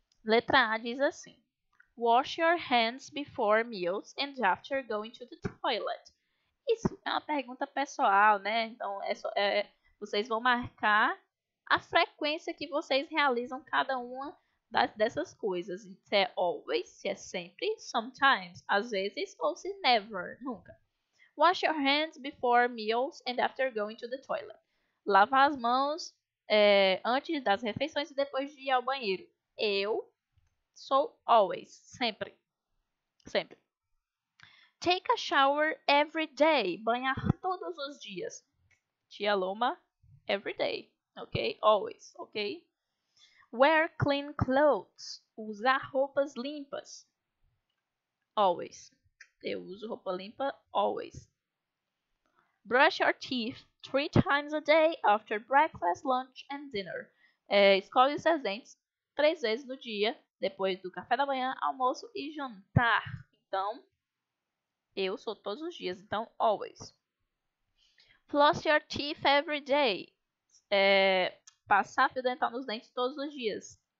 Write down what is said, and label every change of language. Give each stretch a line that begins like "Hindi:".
Portuguese: Letra A diz assim:
English: wash your hands before meals and after going to the toilet.
Portuguese: Isso é uma pergunta pessoal, né? Então, vocês vão marcar a frequência que vocês realizam cada uma dessas coisas. Se é always, se é sempre, sometimes, às vezes, ou se never, nunca.
English: Wash your hands before meals and after going to the toilet.
Portuguese: Lavar as mãos antes das refeições e depois de ir ao banheiro. Eu sou always, sempre. Sempre.
English: Take a shower every day.
Portuguese: Banhar todos os dias.
English: Tia Loma, every day, ok? Always, ok? Wear clean clothes.
Portuguese: Usar roupas limpas.
English: Always.
Portuguese: Eu uso roupa limpa always.
English: Brush your teeth 3 times a day after breakfast, lunch and dinner.
Portuguese: Escove os seus dentes 3 vezes no dia, depois do café da manhã, almoço e jantar. Então, eu sou todos os dias. Então, always.
English: Floss your teeth every day.
Portuguese: Passar fio dental nos dentes todos os dias.